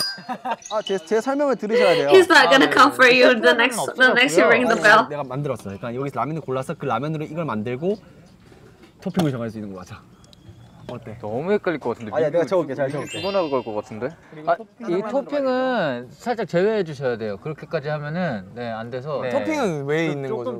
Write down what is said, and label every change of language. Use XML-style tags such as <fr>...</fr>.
<ko>아, 제 설명을 들으셔야 돼요.</ko> <en>He's not gonna come for you the next you ring the bell.</en> <ko>내가 만들었어. 그러니까 여기서 라면을 골라서 그 라면으로 이걸 만들고 토핑을 정할 수 있는 거 같아. 어때? 너무 헷갈릴 것 같은데. 아, 야, 내가 적을게. 잘 적을게. 죽어나 그럴 것 같은데. 아, 이 토핑은 살짝 제외해 주셔야 돼요. 그렇게까지 하면은 네, 안 돼서. 네. 토핑은 왜 있는 거죠?</ko>